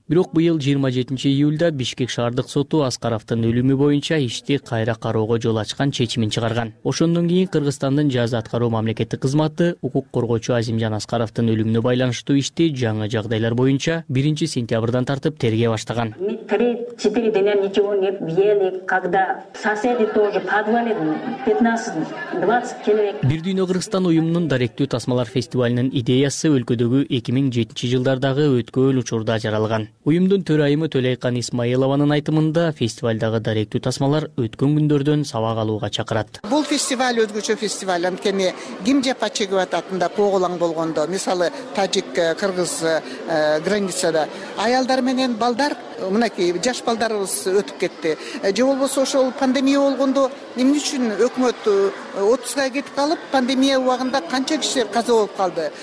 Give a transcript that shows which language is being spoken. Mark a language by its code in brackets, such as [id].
[ky] Бирок быйыл 27-чи июлда Бишкек шаардык соту Аскаровдун өлүмү боюнча ишти кайра кароого жол ачкан чечимин чыгарган. Ошондон кийин Кыргызстандын жаза аткаруу мамлекеттик кызматы укук коргоочу Азимжан Аскаровдун өлүмүнө байланыштуу ишти жаңы жагдайлар боюнча 1-сентябрдан тартып тергөө баштаган. [ru] Мы 3-4 дня ничего не ели, когда соседи тоже подвалили 15-20 человек. [ky] Бир дүйнө Кыргызстан уюмунун даректүү тасмалар фестивалинин идеясы өлкөдөгү 2007-чи жылдардагы өткөөл учурда жаралган. Уюмдун төрайымы Төлөйкан Исмаилованын айтымында фестивалдагы даректүү тасмалар өткөн күндөрдөн сабак алууга чакырат. Бул фестиваль өзгөчө фестиваль, анткени ким жапа чегип атат мында кооголоң болгондо, мисалы тажик кыргыз границада аялдар менен балдар, мынакей жаш балдарыбыз өтүп кетти, же болбосо ошол пандемия болгондо эмне үчүн өкмөт 30га кетип калып пандемия убагында канча кишилер каза болуп калды?